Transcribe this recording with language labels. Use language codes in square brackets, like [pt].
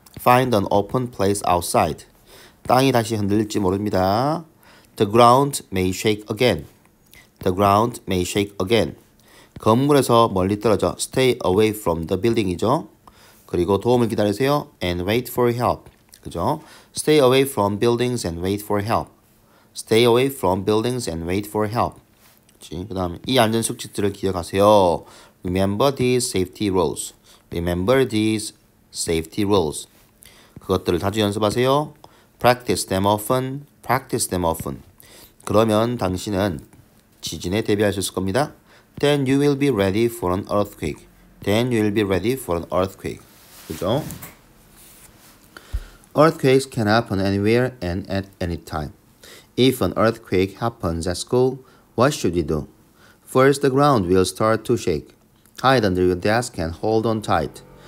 [en] Find an open place outside. [ko] 땅이 다시 흔들릴지 모릅니다. [en] The ground may shake again. The ground may shake again. [ko] 건물에서 멀리 떨어져. [en] Stay away from the building이죠. [ko] 그리고 도움을 기다리세요. [en] And wait for help. [ko] 그죠? [en] Stay away from buildings and wait for help. Stay away from buildings and wait for help. [ko] 그 다음에 이 안전수칙들을 기억하세요. [en] Remember these safety rules. Remember these safety rules. [ko] 그것들을 자주 연습하세요. [en] Practice them often. Practice them often. [ko] 그러면 당신은 지진에 대비할 수 있을 겁니다. [en] Then you will be ready for an earthquake. Then you will be ready for an earthquake. [ko] 그죠? [en] Earthquakes can happen anywhere and at any time. If an earthquake happens at school, what should you do? First, the ground will start to shake. Hide under your desk and hold on tight.